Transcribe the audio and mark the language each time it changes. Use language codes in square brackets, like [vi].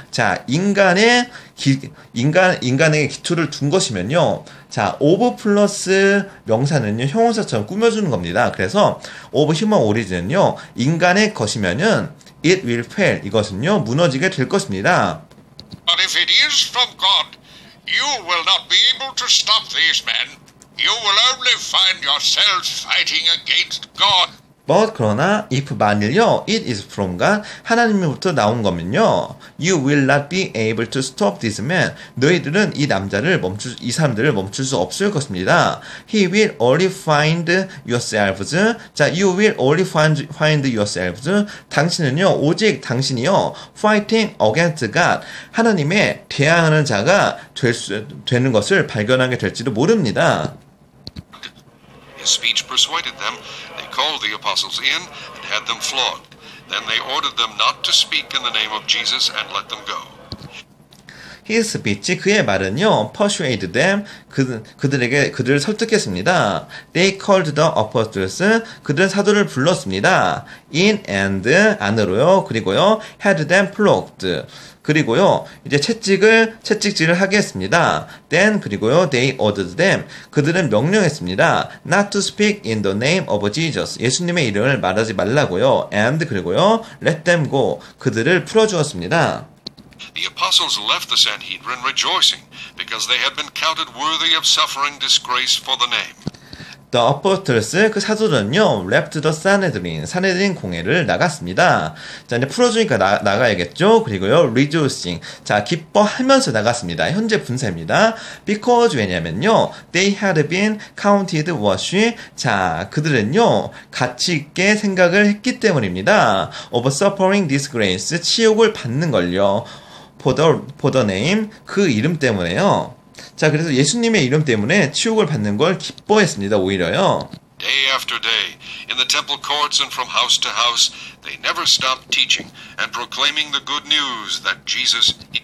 [ko] 자 인간의 인간에게 기초를 둔 것이면요. 자, of 플러스 명사는요, 형용사처럼 꾸며주는 겁니다. 그래서, of human origin은요, 인간의 것이면은, [en] it will fail. [ko] 이것은요, 무너지게 될 것입니다. [en] But if it is from God, you will not be able to stop these men. You will only find yourselves fighting against God. But, [ko] 그러나, [en] if [ko] 만일요, [en] it is from God, [ko] 하나님으로부터 나온 거면요, [en] you will not be able to stop this man. [ko] 너희들은 이 남자를 멈출, 이 사람들을 멈출 수 없을 것입니다. [en] He will only find yourselves. 자, you will only find yourselves. [ko] 당신은요, 오직 당신이요, [en] fighting against God. [ko] 하나님의 대항하는 자가 되는 것을 발견하게 될지도 모릅니다. [en] His speech persuaded them. They called the apostles in and had them flogged. Then they ordered them not to speak in the name of Jesus and let them go. His speech, [ko] 그의 말은요, [en] persuaded them, [ko] 그들을 설득했습니다. [en] They called the apostles, [ko] 그들은 사도를 불렀습니다. [en] In and [ko] 안으로요, 그리고요, [en] had them flogged. [ko] 그리고요, 이제 채찍질을 하게 했습니다. [en] Then, [ko] 그리고요, [en] they ordered them. [ko] 그들은 명령했습니다. [en] Not to speak in the name of Jesus. [ko] 예수님의 이름을 말하지 말라고요. [en] And, [ko] 그리고요, [en] let them go. [ko] 그들을 풀어주었습니다. [en] The apostles left the Sanhedrin rejoicing because they had been counted worthy of suffering disgrace for the name. The apostles, [ko] 그 사도들은요, [en] left the Sanhedrin, [ko] 산헤드린 공회를 나갔습니다. 자, 이제 풀어주니까 나가야겠죠? 그리고요, [en] rejoicing. [ko] 자, 기뻐하면서 나갔습니다. 현재 분사입니다. [en] Because, [ko] 왜냐면요, [en] they had been counted worthy. [ko] 자, 그들은요, 가치있게 생각을 했기 때문입니다. [en] Of suffering disgrace, [ko] 치욕을 받는 걸요. [en] For the name, [ko] 그 이름 때문에요. 자, 그래서 예수님의 이름 때문에 치욕을 받는 걸 기뻐했습니다. 오히려요. [en] Day after day, in the temple courts and from house to house, they never stopped teaching and proclaiming the good news that Jesus.